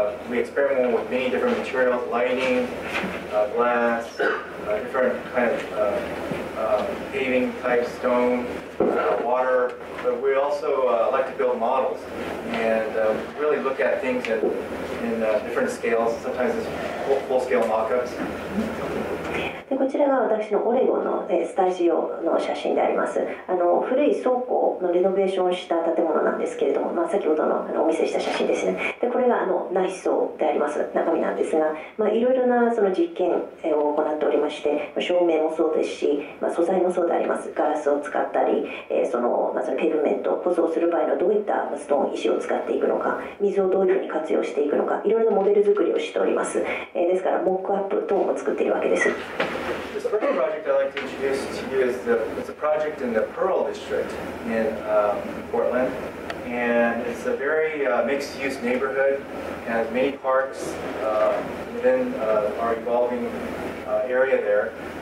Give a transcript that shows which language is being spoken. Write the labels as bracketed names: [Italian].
[English] We experiment with many different materials, lighting, glass, different kind of... paving type stone, water, but we also like to build models and really look at things in different scales, sometimes it's full scale mock-ups. [Japanese] でこちらが私のオレゴンのスタジオの写真であります。古い倉庫のリノベーションした建物なんですけれども、先ほど のお見せした写真ですね。でこれが内装であります、中身なんですが、いろいろなその実験を行っておりまして、照明もそうですし、素材もそうであります。ガラスを使ったり、そのペルメントを塗装する場合のどういったストーン、石を使っていくのか、水をどういうふうに活用していくのか、いろいろなモデル作りをしております。ですからモックアップ等も作っているわけです。 [English] The second project I'd like to introduce to you is a project in the Pearl District in Portland. And it's a very mixed-use neighborhood. It has many parks within our evolving area there.